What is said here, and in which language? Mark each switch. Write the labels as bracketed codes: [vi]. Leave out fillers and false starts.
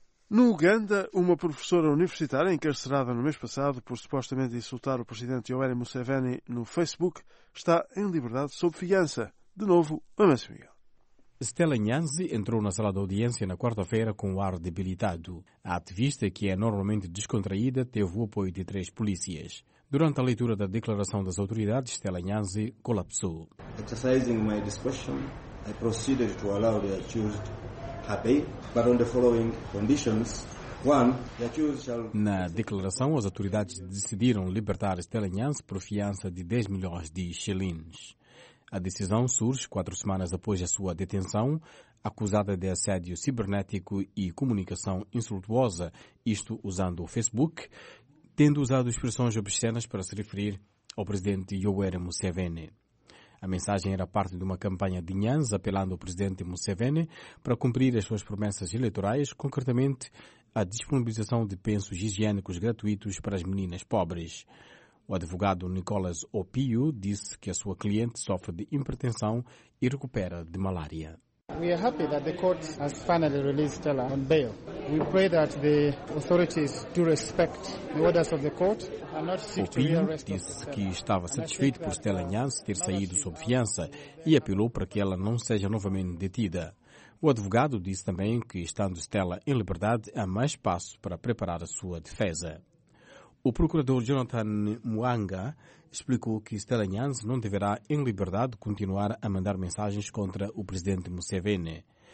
[pt] No Uganda, uma professora universitária encarcerada no mês passado por supostamente insultar o presidente Yoweri Museveni no Facebook está em liberdade sob fiança. De novo, Amancio Miguel. Stella Nyanzi entrou na sala de audiência na quarta-feira com o ar debilitado. A ativista, que é normalmente descontraída, teve o apoio de 3 polícias. Durante a leitura da declaração das autoridades, Stella Nyanzi colapsou. [en] Exercising my discretion, I proceeded to allow the accused habeas, but on the following conditions. [pt] Na declaração, as autoridades decidiram libertar Stella Nyanzi por fiança de 10 milhões de shilins. A decisão surge 4 semanas após a sua detenção, acusada de assédio cibernético e comunicação insultuosa, isto usando o Facebook, tendo usado expressões obscenas para se referir ao presidente Yoweri Museveni. A mensagem era parte de uma campanha de Nyanzi apelando ao presidente Museveni para cumprir as suas promessas eleitorais, concretamente a disponibilização de pensos higiênicos gratuitos para as meninas pobres. O advogado Nicolas Opiu disse que a sua cliente sofre de hipertensão e recupera de malária. [en] We are happy that the court has finally released Stella on bail. We pray that the authorities do respect the orders of the court and not seek to rearrest Stella. [pt] Disse que estava satisfeito por Stella Nyanzi ter saído sob fiança e apelou para que ela não seja novamente detida. O advogado disse também que, estando Stella em liberdade, há mais espaço para preparar a sua defesa. O procurador Jonathan Mwanga explicou que Stella Nyanzi não deverá, em liberdade, continuar a mandar mensagens contra o presidente Museveni.